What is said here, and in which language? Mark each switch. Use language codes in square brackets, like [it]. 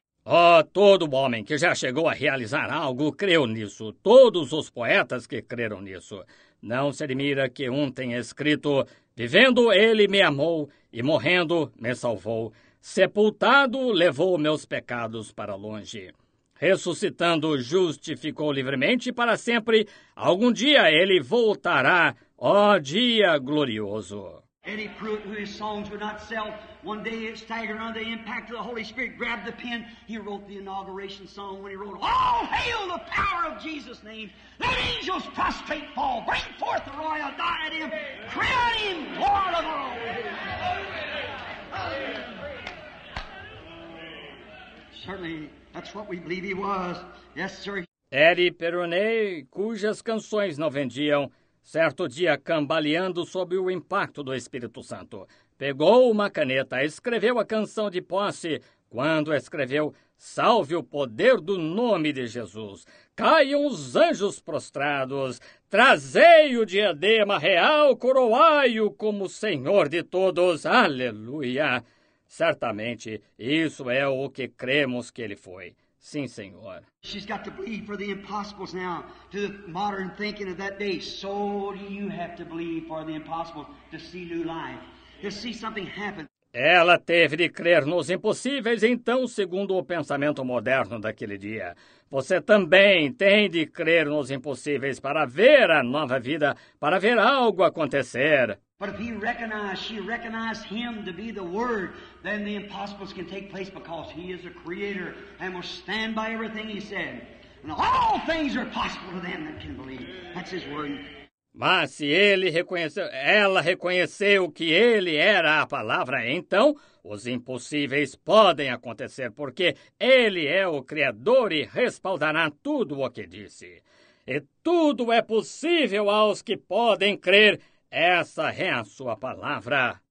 [pt] Oh, todo homem que já chegou a realizar algo creu nisso. Todos os poetas que creram nisso. Não se admira que um tenha escrito, vivendo, ele me amou, e morrendo, me salvou. Sepultado, levou meus pecados para longe. Ressuscitando, justificou livremente para sempre. Algum dia ele voltará. Oh, dia glorioso! [en] Eddie Pruitt, who his songs would not sell, one day it staggered under the impact of the Holy Spirit, grabbed the pen, he wrote the inauguration song when he wrote, all hail the power of Jesus' name, let angels prostrate fall, bring forth the royal diadem, crown him Lord of all. Certainly, that's what we believe he was. Yes, sir. [pt] Eri Peronei, cujas canções não vendiam, certo dia cambaleando sob o impacto do Espírito Santo, pegou uma caneta, escreveu a canção de posse, quando escreveu: Salve o poder do nome de Jesus, caiam os anjos prostrados, trazei o diadema real, coroai-o como Senhor de todos, aleluia! Certamente, isso é o que cremos que ele foi. Sim, Senhor. [en] She's got to believe for the impossibles now, to the modern thinking of that day. So do you have to believe for the impossible to see new life, to see something happen. [pt] Ela teve de crer nos impossíveis, então, segundo o pensamento moderno daquele dia. Você também tem de crer nos impossíveis para ver a nova vida, para ver algo acontecer. [en] But if he recognized, she recognized him to be the Word, then the impossibles can take place because he is a creator and will stand by everything he said. And all things are possible to them that can believe. That's his Word. [pt] Mas se ele reconheceu, ela reconheceu que ele era a palavra, então os impossíveis podem acontecer, porque ele é o Criador e respaldará tudo o que disse. E tudo é possível aos que podem crer, essa é a sua palavra.